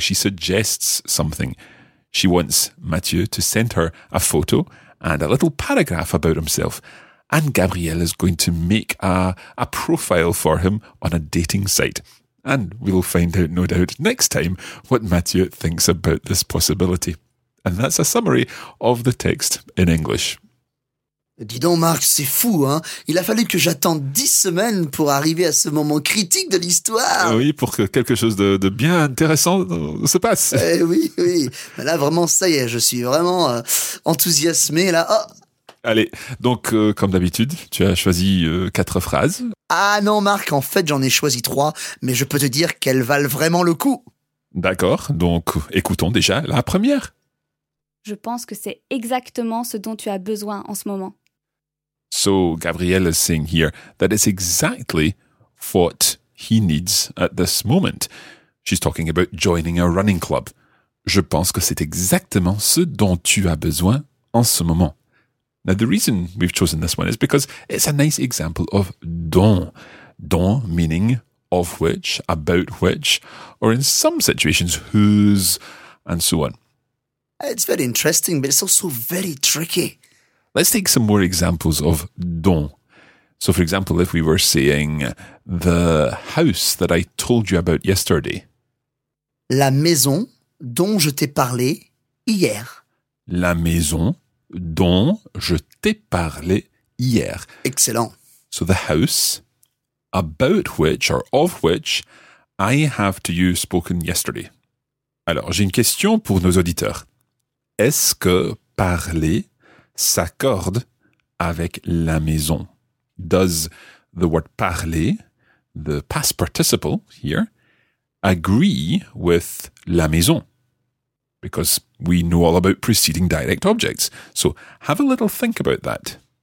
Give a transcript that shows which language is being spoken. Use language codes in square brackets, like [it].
[en] She suggests something. She wants Mathieu to send her a photo and a little paragraph about himself. And Gabrielle is going to make a profile for him on a dating site. And we'll find out, no doubt, next time what Mathieu thinks about this possibility. And that's a summary of the text in English. [fr] Dis donc, Marc, c'est fou, hein? Il a fallu que j'attende 10 semaines pour arriver à ce moment critique de l'histoire. Oui, pour que quelque chose de bien intéressant se passe. Oui, oui. Mais là, vraiment, ça y est, je suis vraiment enthousiasmé, là. Oh. Allez, donc, comme d'habitude, tu as choisi 4 phrases. Ah non, Marc, en fait, j'en ai choisi 3, mais je peux te dire qu'elles valent vraiment le coup. D'accord, donc, écoutons déjà la première. Je pense que c'est exactement ce dont tu as besoin en ce moment. [en] So, Gabrielle is saying here that it's exactly what he needs at this moment. She's talking about joining a running club. [fr] Je pense que c'est exactement ce dont tu as besoin en ce moment. [en] Now, the reason we've chosen this one is because it's a nice example of dont. Dont meaning of which, about which, or in some situations, whose, and so on. It's very interesting, but it's also very tricky. Let's take some more examples of dont. So, for example, if we were saying the house that I told you about yesterday. [fr] La maison dont je t'ai parlé hier. La maison dont je t'ai parlé hier. Excellent. [en] So, the house about which or of which I have to you spoken yesterday. [fr] Alors, j'ai une question pour nos auditeurs. Est-ce que parler s'accorde avec la maison? [en] Does the word parler, the past participle here, agree with la maison? because we know all about preceding direct objects. So have a little think about that.